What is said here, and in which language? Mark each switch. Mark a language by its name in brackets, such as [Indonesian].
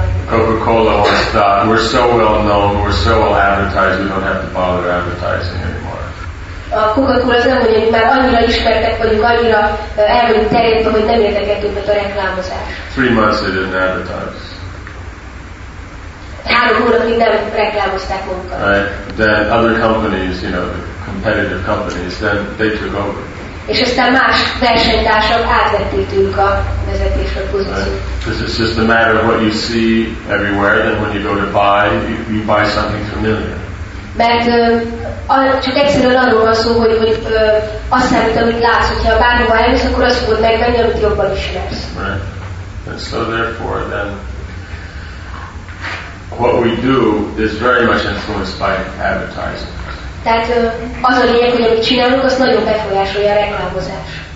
[English] Coca-Cola once thought, we're so well known, we're so well advertised, we don't have to bother advertising anymore. [Hungarian] A Coca-Cola azt nem mondja, hogy már annyira ismertek vagyunk, annyira el vagyunk terjedve, hogy nem érdekel többet a reklámozás. [English] 3 months they didn't advertise. [Hungarian] 3 hónapig nem reklámozták magukat. [English] Right. Then other companies, you know, competitive companies, then they took over. [Hungarian] És aztán más versenytársak átvették a vezetésre pozíciót. [English] Right. It's just a matter of what you see everywhere, then when you go to buy, you buy something familiar. [Hungarian] Mert csak egyszerűen arról van szó, hogy azt számít, amit látsz, hogyha bárhova eljössz, akkor azt fogod megvenni, amit jobban ismersz. [English] Right. And so therefore then, what we do is very much influenced by advertising. [Hungarian] Tehát az a lényeg, hogy amit csinálunk, az nagyon befolyásolja a reklámozás.